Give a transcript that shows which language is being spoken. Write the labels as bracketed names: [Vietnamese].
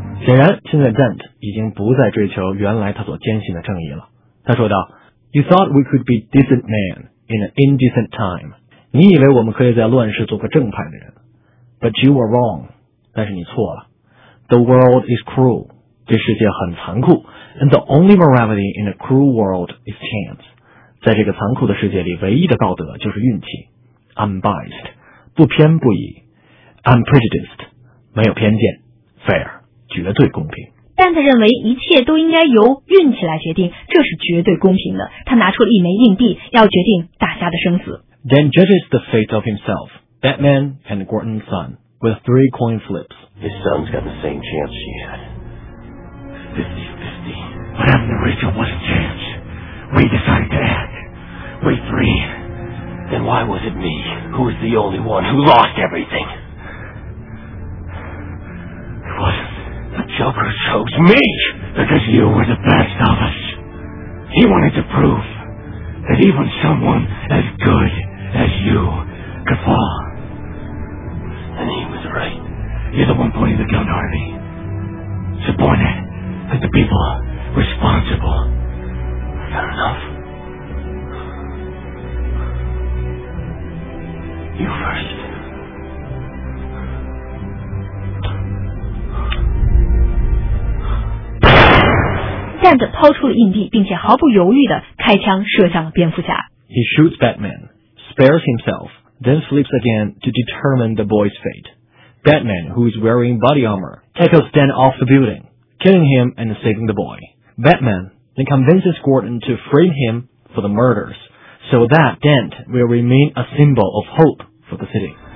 [Chinese] 显然，现在 Dent 已经不再追求原来他所坚信的正义了。他说道， [English] You thought we could be decent men in an indecent time. [Chinese] 你以为我们可以在乱世做个正派的人。 [English] But you were wrong. [Chinese] 但是你错了。 [English] The world is cruel. [Chinese] 这世界很残酷。 [English] And the only morality in a cruel world is chance. [Chinese] 在这个残酷的世界里，唯一的道德就是运气。 [English] Unbiased. [Chinese] 不偏不倚。 [English] Unprejudiced. [Chinese] 没有偏见。 [English] Fair. [Chinese] 绝对公平。但他认为一切都应该由运气来决定，这是绝对公平的。他拿出了一枚硬币，要决定大家的生死。 [English] Then judges the fate of himself, Batman and Gordon's son, with three coin flips. His son's got the same chance she had. 50-50. What happened to Rachel was a chance. We decided to act. We three. Then why was it me who was the only one who lost everything? It wasn't. The Joker chose me! Because you were the best of us. He wanted to prove that even someone as good as you could fall. And he was right. You're the one pointing the gun, Harvey. So point it at the people responsible. Fair enough. You first. [Chinese] 站着掏出了硬币，并且毫不犹豫地开枪射向了蝙蝠侠。 [English] He shoots Batman, spares himself, then sleeps again to determine the boy's fate. Batman, who is wearing body armor, tackles Dent off the building, killing him and saving the boy. Batman then convinces Gordon to frame him for the murders, so that Dent will remain a symbol of hope for the city.